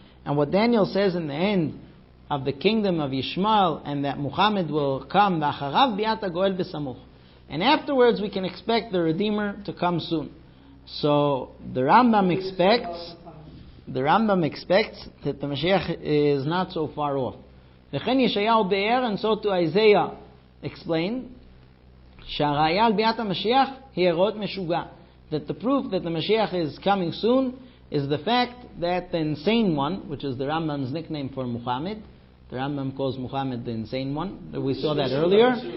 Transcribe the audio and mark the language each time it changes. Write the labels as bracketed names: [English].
[English] And what Daniel says in the end of the kingdom of Yishmael, and that Muhammad will come, [Hebrew] v'acharav biyata goel b'samuch. [English] And afterwards we can expect the Redeemer to come soon. So the Rambam expects... the Rambam expects that the Mashiach is not so far off. [Hebrew] וכן ישעיהו ביאר, [English] and so to Isaiah explain, [Hebrew] שהראיה על ביאת המשיח היא הראות משוגע. [English] That the proof that the Mashiach is coming soon is the fact that the insane one, which is the Rambam's nickname for Muhammad, the Rambam calls Muhammad the insane one. We saw that earlier.